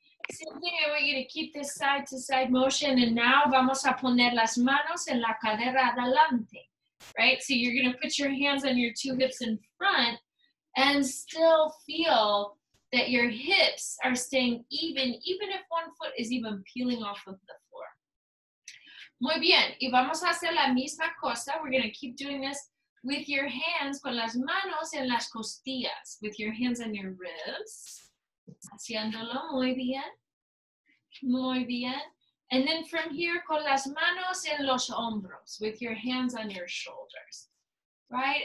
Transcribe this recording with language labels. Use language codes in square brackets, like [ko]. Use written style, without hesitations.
[en] Same thing, I want you to keep this side to side motion. And now [es] vamos a poner las manos en la cadera adelante. [en] Right? So you're going to put your hands on your two hips in front and still feel that your hips are staying even if one foot is even peeling off of the floor. [es] Muy bien, y vamos a hacer la misma cosa. [en] We're gonna keep doing this with your hands, [es] con las manos en las costillas, [en] with your hands on your ribs. [es] Haciéndolo muy bien, muy bien. [en] And then from here, [es] con las manos en los hombros, [en] with your hands on your shoulders, right?